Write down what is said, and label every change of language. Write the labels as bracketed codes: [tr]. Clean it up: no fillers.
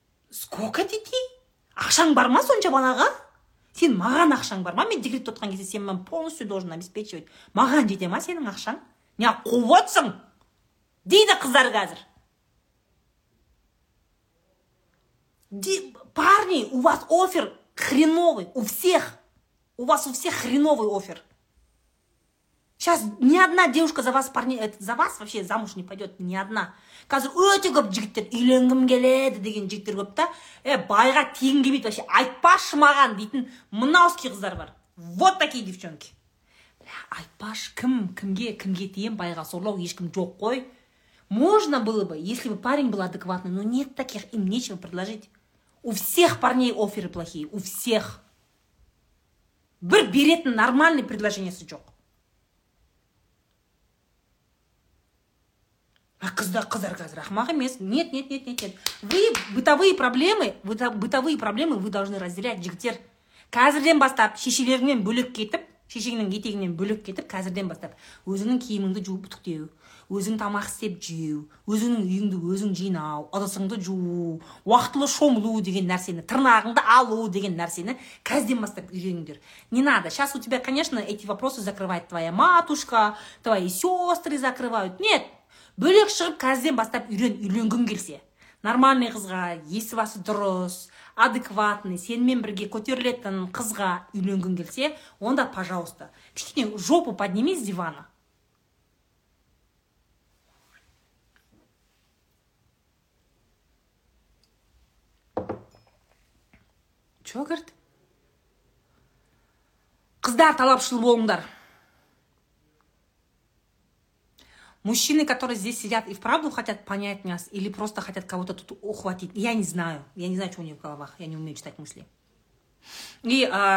[ru] Сколько детей? [kk] Ақшаң бар ма сонша балаға? Сен маған ақшаң бар ма? Мен декретте отырған кезде сен маған [ru] полностью должен обеспечивать. [kk] Маған жете ма сенің ақшаң? Не қуып отырсың дейді қыздар қазір. [ru] Парни, у вас офер хреновый, у всех. У вас у всех хреновый офер. Сейчас ни одна девушка за вас, парни, за вас вообще замуж не пойдет, ни одна. [kk] Қазір өте көп жігіттер үйленгім келеді деген жігіттер көп та, байға тең келмейді [ru] вообще, [kk] айтпашы маған дейтін мынаусы қыздар бар. [ru] Вот такие девчонки. [kk] Айтпаш, кімге тием байға сорлау ешкім жоқ қой. [ru] Можно было бы, если бы парень был адекватный, но нет таких, им нечего предложить. У всех парней оферы плохие, у всех. [kk] Бір беретін нормальный предложениесі жоқ. А қыздар қазір ақмақ емес. [ru] Нет. Вы бытовые проблемы вы должны разделять, жігіттер. [kk] Қазірден бастап, шешелеріңмен бөлек кетіп, шешеңнің етегінен бөлік кетіп, қазірден бастап, өзіңнің киіміңді жуып бүтіктеу, өзің тамақ істеп жеу, өзіңнің үйіңді өзің жинау, ыдысыңды жуу, уақытылы шомылу деген нәрсені, тырнағыңды алу деген нәрсені қазірден бастап үйреніңдер. [ru] Не надо. Сейчас у тебя, конечно, эти вопросы закрывает твоя матушка, твои сестры закрывают. Нет. [kk] Бөлек шығып, қазірден бастап үйленгің келсе. Нормальный қызға, есі басы дұрыс, адекватный, сенімен бірге көтерілетін қызға үйленгін келсе, онда, пожалуйста, кішкене [ru] жопу подними с дивана. Чё, гірді? [kk] Қыздар талапшыл болыңдар. [ru] Мужчины, которые здесь сидят и вправду хотят понять нас, или просто хотят кого-то тут ухватить, я не знаю. Я не знаю, что у них в головах. Я не умею читать мысли. И